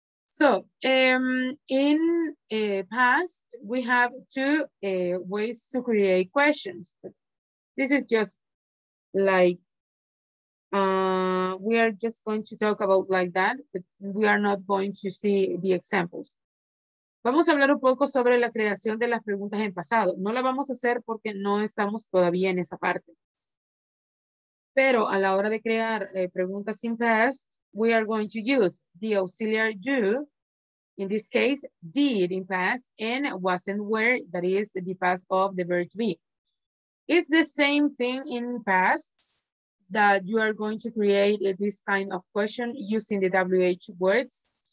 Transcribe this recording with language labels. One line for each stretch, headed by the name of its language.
English: So in a past, we have two ways to create questions. This is just like, we are just going to talk about like that, but we are not going to see the examples.
Spanish: Vamos a hablar un poco sobre la creación de las preguntas en pasado. No la vamos a hacer porque no estamos todavía en esa parte. Pero a la hora de crear preguntas in
English: past, we are going to use the auxiliary do, in this case, did in past, and wasn't were, that is the past of the verb be. It's the same thing in past that you are going to create this kind of question using the WH words.